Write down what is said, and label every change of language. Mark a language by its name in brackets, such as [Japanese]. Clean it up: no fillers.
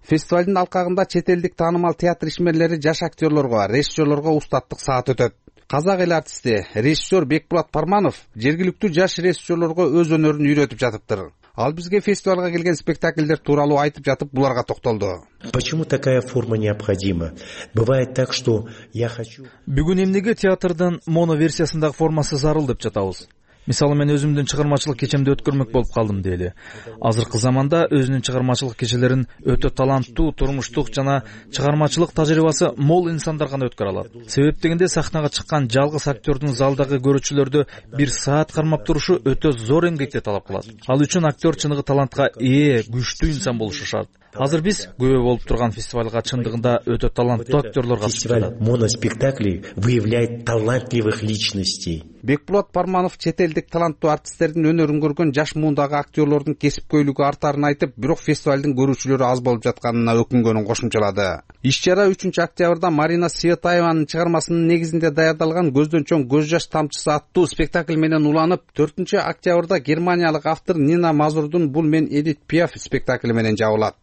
[Kyrgyz] Фестивалдын алкагында чет элдик таанымал театр ишмерлери жаш актерлорго, режиссерлорго устаттык саат өтөт. Казак эл артисти, режиссер Бекпурат Парманов жергиликтүү жаш режиссерлорго өз өнөрүн үйрөтүп жатыптыр. Ал бизге фестивалга келген спектакльдер тууралуу айтып жатып, буларга токтолду. [Russian] Почему такая форма необходима? Бывает так, что я хочу. [Kyrgyz] Бүгүн эмнеге театрдын моноверсиясындагы формасы зарыл деп жатабыз? Мисалы, мен өзүмдүн чыгармачылык кечемди өткөрмөк болуп калдым дейли. Азыркы заманда өзүнүн чыгармачылык кечелерин өтө таланттуу, турмуштук жана чыгармачылык тажрыйбасы мол инсандар гана өткөрө алат. Себеп дегенде сахнага чыккан жалгыз актердун залдагы көрүүчүлөрдү бир саат кармап турушу өтө зор эмгекти талап кылат. Ал үчүн актер чыныгы талантка ээ, күчтүү инсан болушу шарт. Азыр биз күбө болуп турган фестивалга чындыгында өтө таланттуу актёрлор катышып жатат. [Russian] Моноспектакли выявляет талантливых личностей. [Kyrgyz] Бекпулат Парманов чет элдик таланттуу артисттердин өнөрүн көргөн жаш муундагы актёрлордун кесипкөйлүгү артарын айтып, бирок фестивалдын көрүүчүлөрү аз болуп жатканына өкүнгөнүн кошумчалады. Иш-чара 3 октябрда Марина Светаеванын чыгармасынын негизинде даярдалган көздөн чоң көз жаш тамчысы аттуу спектакль менен уланып, 4 октябрда германиялык автор Нина Мазурдун бул мен Эдит Пиаф спектакли менен жабылат.